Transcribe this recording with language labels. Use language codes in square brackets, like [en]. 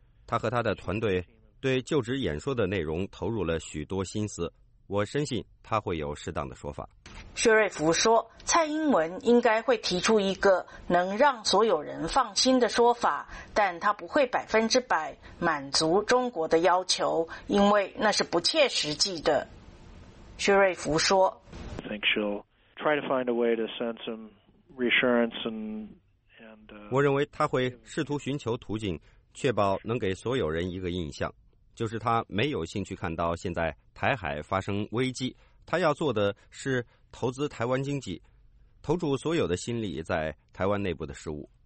[zh] 他和他的团队对就职演说的内容投入了许多心思，我深信他会有适当的说法。薛瑞福说，蔡英文应该会提出一个能让所有人放心的说法，但他不会百分之百满足中国的要求，因为那是不切实际的。薛瑞福说， [en] I think she'll try to find a way to send some reassurance and, [zh] 我认为他会试图寻求途径确保能给所有人一个印象，就是他没有兴趣看到现在台海发生危机，他要做的是投资台湾经济，投注所有的心力在台湾内部的事务。